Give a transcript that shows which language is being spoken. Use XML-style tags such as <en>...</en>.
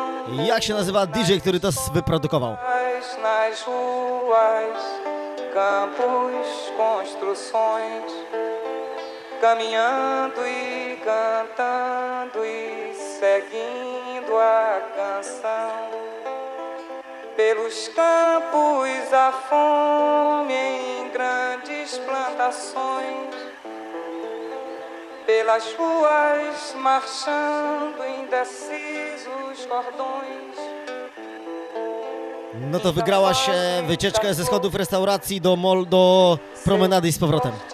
<pl>Jak się nazywa DJ, który to wyprodukował?</pl> <pt>Nas ruas, campos, construções, caminhando e cantando e seguindo a canção. Pelos campos a fome em grandes plantações. Pelas ruas marchando indecisos cordões.</pt> <pl>No to wygrałaś wycieczkę ze schodów restauracji do mol, do promenady i z powrotem.</pl>